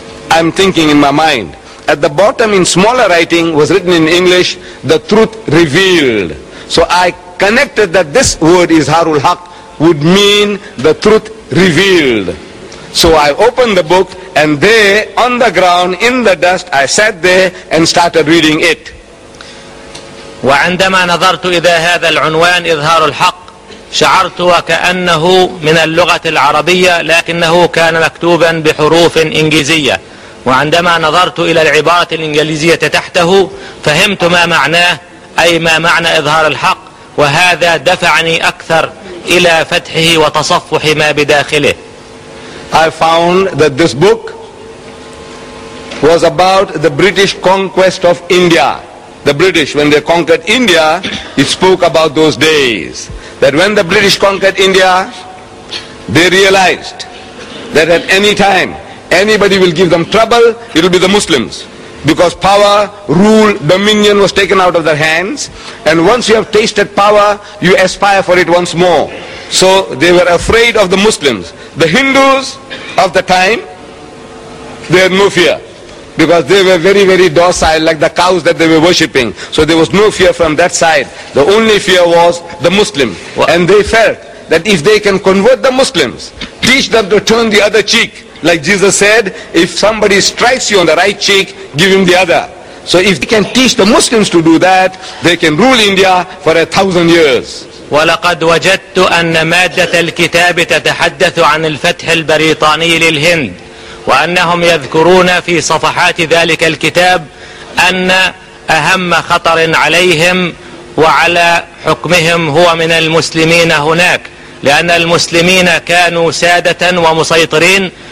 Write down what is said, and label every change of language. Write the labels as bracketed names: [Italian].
[English] I'm thinking in my mind. At the bottom in smaller writing was written in English, the truth revealed. So I connected that this word Izhar al-Haq would mean the truth revealed. So I opened the book and there on the ground in the dust I sat there and started reading it. [Arabic] وعندما نظرت إذا هذا العنوان إظهار الحق شعرت وكأنه من اللغة العربية لكنه كان مكتوبا بحروف إنجليزية، وعندما نظرت إلى العبارة الإنجليزية تحته فهمت ما معناه، أي ما معنى إظهار الحق، وهذا دفعني أكثر إلى فتحه وتصفح ما بداخله. [English] I found that this book was about the British conquest of India. The British, when they conquered India, it spoke about those days. That when the British conquered India, they realized that at any time, anybody will give them trouble, it will be the Muslims. Because power, rule, dominion was taken out of their hands. And once you have tasted power, you aspire for it once more. So they were afraid of the Muslims. The Hindus of the time, they had no fear. Because they were very, very docile, like the cows that they were worshipping. So there was no fear from that side. The only fear was the Muslim. And they felt that if they can convert the Muslims, teach them to turn the other cheek, like Jesus said, if somebody strikes you on the right cheek, give him the other. So if they can teach the Muslims to do that, they can rule India for 1,000 years. [Arabic] ولقد وجدت أن مادة الكتاب تتحدث عن الفتح البريطاني للهند، وأنهم يذكرون في صفحات ذلك الكتاب أن أهم خطر عليهم وعلى حكمهم هو من المسلمين هناك، لأن المسلمين كانوا سادة ومسيطرين،